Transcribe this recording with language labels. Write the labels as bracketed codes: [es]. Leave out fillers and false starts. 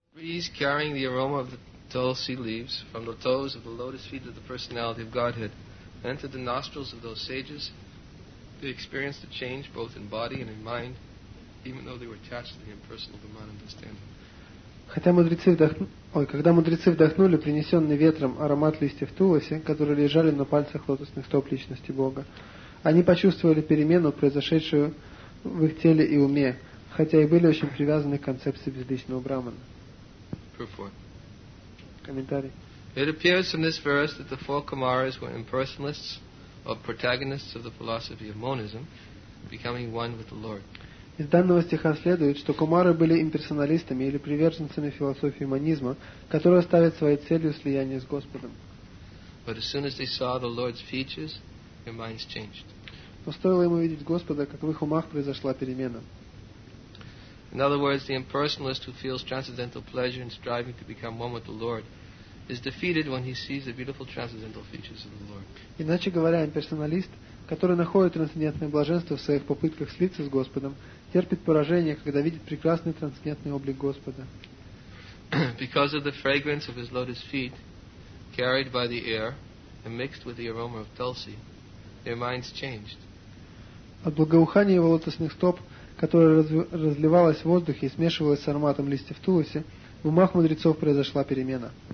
[en] trees carrying the aroma of the tulsi leaves from the toes of the lotus feet of the personality of Godhead entered the nostrils of those sages, they experienced a change both in body and in mind, even though they were attached to the impersonal Brahman understanding. [ru] Когда мудрецы вдохнули принесенный ветром аромат листьев туласи, которые лежали на пальцах лотосных стоп личности Бога, они почувствовали перемену, произошедшую в их теле и уме, хотя и были очень привязаны к концепции безличного Брахмана. Комментарий. [en] It appears from this verse that the four Kumaras were impersonalists or protagonists of the philosophy of monism, becoming one with the Lord. [ru] Из данного стиха следует, что кумары были имперсоналистами или приверженцами философии монизма, которая ставит своей целью слияние с Господом. [en] But as soon as they saw the Lord's features, their minds changed. [ru] Но стоило им увидеть Господа, как в их умах произошла перемена. [en] In other words, the impersonalist who feels transcendental pleasure in striving to become one with the Lord is defeated when he sees the beautiful transcendental features of the Lord. [ru] Иначе говоря, имперсоналист, который находит трансцендентное блаженство в своих попытках слиться с Господом, терпит поражение, когда видит прекрасный трансцендентный облик Господа. [en] Because of the fragrance of his lotus feet, carried by the air and mixed with the aroma of tulsi, their minds changed. [ru] От благоухания его лотосных стоп, которое разливалось в воздухе и смешивалось с ароматом листьев туласи, в умах мудрецов произошла перемена.